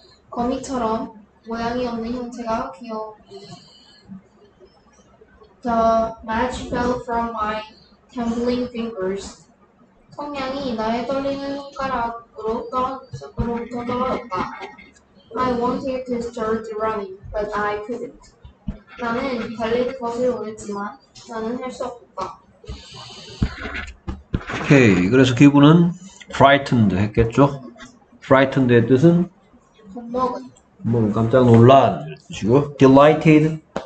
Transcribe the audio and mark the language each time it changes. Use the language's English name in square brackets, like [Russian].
[Korean] 거미처럼 모양이 없는 형체가 기어오고. [English] The match fell from my trembling fingers. [Korean] 성냥이 나의 떨리는 손가락으로 떨어졌다. [English] I wanted to start running, but I couldn't. [Korean] 나는 달릴 것을 원했지만, 나는 할수 없었다. 오케이, 그래서 기분은 frightened 했겠죠? frightened의 뜻은 겁먹은. 뭐 깜짝 놀란 뜻이고, delighted,